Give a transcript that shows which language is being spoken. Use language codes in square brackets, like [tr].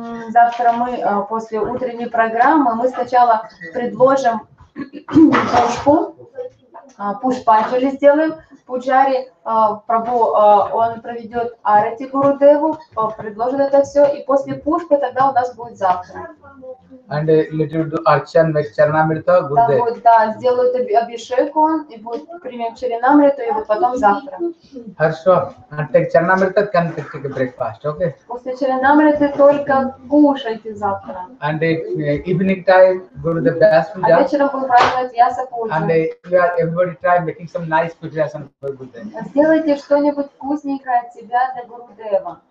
[ru] Завтра мы после утренней программы мы сначала предложим пушку, пуш-панчали сделаем, пуджари прабу, он проведет арати гурудеву, предложит это все, и после пушки тогда у нас будет завтра. [en] And little do archan with charanamrita gurudev. [ru] Да, вот, да, сделают абишеку, и будет примем чаринамриту, и вот потом завтра. Хорошо. [en] And take charanamrita, can take a breakfast, okay? [ru] После чаринамриты только кушайте завтра. [en] And evening time, gurudev das puja. [ru] А вечером будет праздновать яса пуджа. [en] And everybody try making some nice puja for gurudev. [ru] Сделайте что-нибудь вкусненькое от себя для гурудева.